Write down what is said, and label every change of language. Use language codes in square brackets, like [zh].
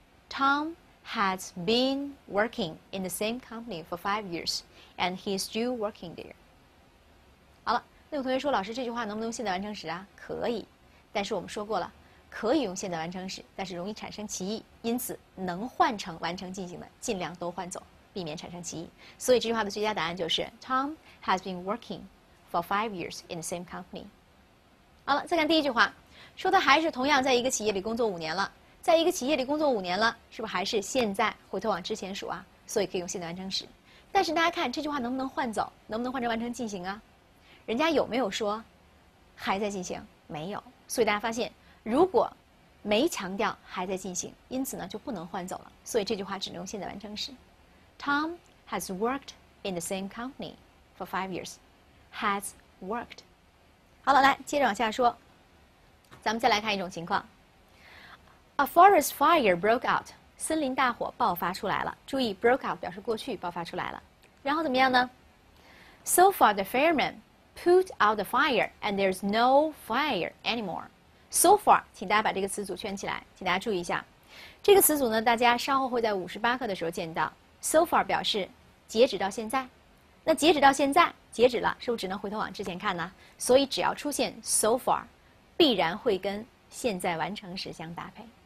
[en] Tom has been working in the same company for 5 years and he's still working there。 [zh] 好了，那有同学说，老师这句话能不能用现在完成时啊？可以，但是我们说过了，可以用现在完成时，但是容易产生歧义，因此能换成完成进行的尽量都换走，避免产生歧义。所以这句话的最佳答案就是 [en] Tom has been working for 5 years in the same company。 [zh] 好了，再看第一句话，说他还是同样在一个企业里工作五年了，在一个企业里工作五年了，是不是还是现在回头往之前数啊？所以可以用现在完成时，但是大家看这句话能不能换走，能不能换成完成进行啊？人家有没有说还在进行？没有。所以大家发现，如果没强调还在进行，因此呢就不能换走了，所以这句话只能用现在完成时。 [en] Tom has worked in the same company for 5 years. Has worked. [zh] 好了，来接着往下说。咱们再来看一种情况。 [en] A forest fire broke out. [zh] 森林大火爆发出来了。注意 [en] broke out [zh] 表示过去，爆发出来了。然后怎么样呢？ [en] So far the firemen put out the fire and there's no fire anymore. So far, [zh] 请大家把这个词组圈起来，请大家注意一下。这个词组呢，大家稍后会在58课的时候见到。 [en] So far [zh] 表示截止到现在，那截止到现在截止了，是不是只能回头往之前看呢？所以只要出现 [en] so far， [zh] 必然会跟现在完成时相搭配。